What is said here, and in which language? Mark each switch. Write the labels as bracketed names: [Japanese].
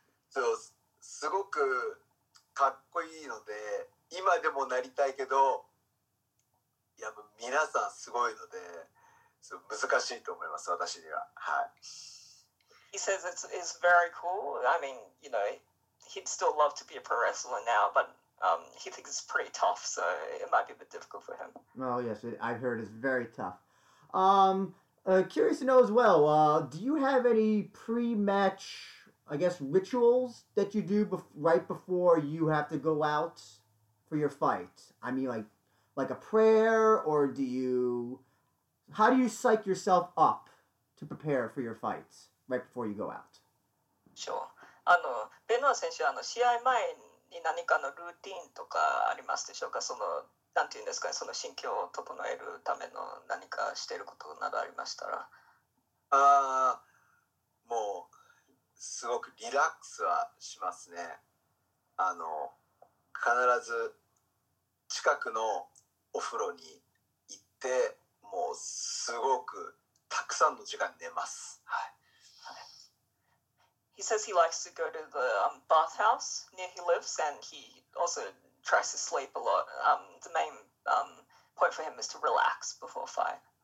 [Japanese] そう、すごくかっこいいので、今でもなりたいけど、いや、皆さんすごいので、難しいと思います、私には。はい。 [English] He says it's very cool. I mean, you know, he'd still love to be a pro wrestler now, but he thinks it's pretty tough, so it might be a bit difficult for him. Oh, yes, I've heard it's very tough. Curious to know as well, do you have any pre-match, I guess, rituals that you do right before you have to go out for your fight? I mean, like a prayer, or do you... How do you psych yourself up to prepare for your fights right before you go out? Sure. [Japanese] あの、ベノア選手は試合前に何かのルーティーンとかありますでしょうか？その、なんていうんですかね、その心境を整えるための何かしてることなどありましたら。ああ、もうすごくリラックスはしますね。あの、必ず近くのお風呂に行って、もうすごくたくさんの時間寝ます。はい。 [English] He says he likes to go to the bathhouse near he lives, and he also tries to sleep a lot. The main point for him is to relax before fight.